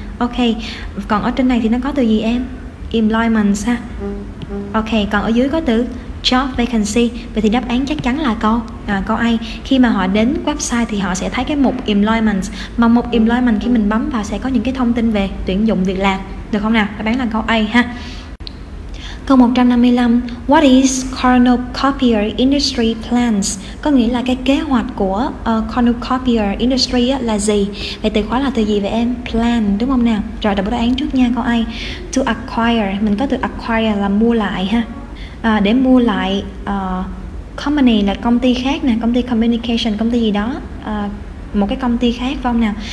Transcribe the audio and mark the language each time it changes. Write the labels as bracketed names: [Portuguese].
[Vietnamese] Ok, còn ở trên này thì nó có từ gì em? Employment ha. Ok, còn ở dưới có từ job vacancy. Vậy thì đáp án chắc chắn là câu A. Khi mà họ đến website thì họ sẽ thấy cái mục employment, mà mục employment khi mình bấm vào sẽ có những cái thông tin về tuyển dụng việc làm, được không nào? Đáp án là câu A ha. Câu 155. [English] What is cornucopia industry plans? [Vietnamese] Có nghĩa là cái kế hoạch của cornucopia industry là gì? Vậy từ khóa là từ gì vậy em? Plan, đúng không nào? Rồi đọc đáp án trước nha câu A. [English] To acquire, [Vietnamese] mình có từ acquire là mua lại ha. Để mua lại company là công ty khác nè, công ty communication, công ty gì đó, một cái công ty khác phải không nào?